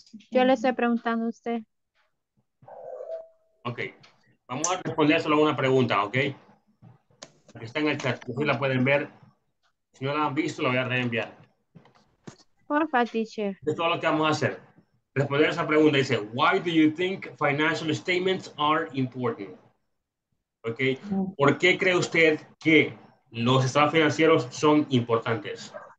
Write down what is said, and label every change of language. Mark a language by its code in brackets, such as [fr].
[es] Yo le estoy preguntando a usted. Ok. Vamos a responder solo una pregunta, ¿ok? Está en el chat, si la pueden ver. Si no la han visto, la voy a reenviar. Porfa, teacher. Es todo lo que vamos a hacer. Responder esa pregunta. [en] Dice, why do you think financial statements are important? [es] ¿Ok? ¿Por qué cree usted que los estados financieros son importantes?